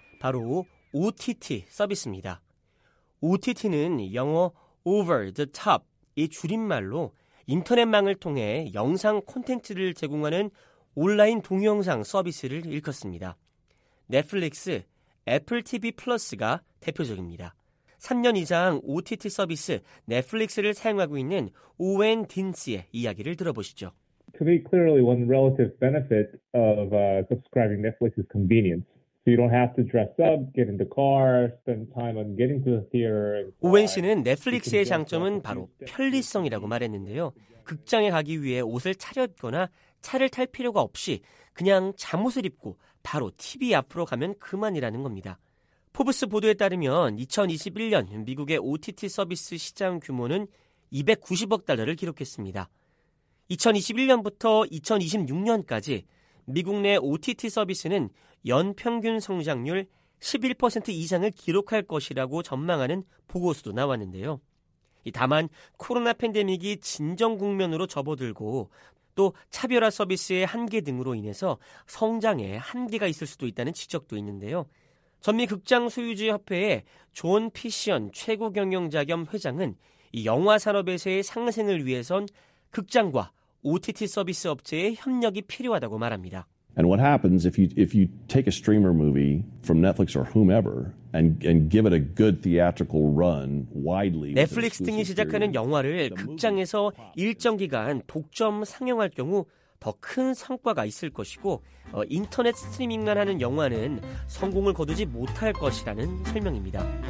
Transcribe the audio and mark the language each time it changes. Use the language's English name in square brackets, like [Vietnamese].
[Korean] 바로 OTT 서비스입니다. OTT는 영어 Over the Top의 줄임말로 인터넷망을 통해 영상 콘텐츠를 제공하는 온라인 동영상 서비스를 일컫습니다. 넷플릭스, 애플 TV 플러스가 대표적입니다. 3년 이상 OTT 서비스 넷플릭스를 사용하고 있는 오웬 딘스의 이야기를 들어보시죠. [English] To me, clearly one relative benefit of subscribing Netflix is convenience. So you don't have to dress up, get in the car, spend time on getting to the theater. [Korean] 오웬 씨는 넷플릭스의 장점은 바로 편리성이라고 말했는데요. 극장에 가기 위해 옷을 차렸거나 차를 탈 필요가 없이 그냥 잠옷을 입고 바로 TV 앞으로 가면 그만이라는 겁니다. 포브스 보도에 따르면 2021년 미국의 OTT 서비스 시장 규모는 290억 달러를 기록했습니다. 2021년부터 2026년까지 미국 내 OTT 서비스는 연 평균 성장률 11% 이상을 기록할 것이라고 전망하는 보고서도 나왔는데요. 다만 코로나 팬데믹이 진정 국면으로 접어들고 또 차별화 서비스의 한계 등으로 인해서 성장에 한계가 있을 수도 있다는 지적도 있는데요. 전미 극장 소유주 협회의 존 피션 최고 경영자 겸 회장은 영화 산업에서의 상승을 위해선 극장과 OTT 서비스 업체의 협력이 필요하다고 말합니다. [English] And what happens if you take a streamer movie from Netflix or whomever and give it a good theatrical run widely? [Korean] 넷플릭스 등이 제작하는 영화를 극장에서 일정 기간 독점 상영할 경우 더 큰 성과가 있을 것이고 인터넷 스트리밍만 하는 영화는 성공을 거두지 못할 것이라는 설명입니다.